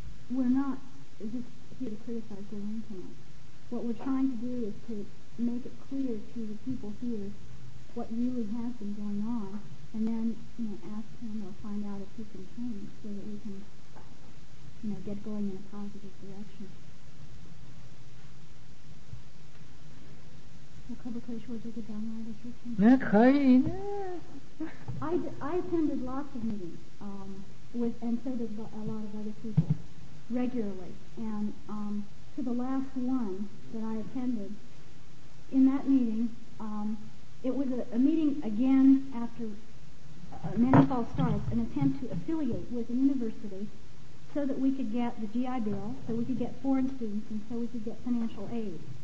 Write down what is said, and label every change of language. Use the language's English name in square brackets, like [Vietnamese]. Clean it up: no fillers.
[English] We're not just here to criticize the internet. What we're trying to do is to make it clear to the people here what really has been going on, and then ask him or find out if he can change so that we can get going in a positive direction. [Chinese] 我可不可以说这个将来的事情？那可以呢。 [English] I attended lots of meetings, and so did a lot of other people, regularly. And to the last one that I attended, in that meeting, it was a meeting again after many false starts, an attempt to affiliate with a university so that we could get the GI Bill, so we could get foreign students, and so we could get financial aid.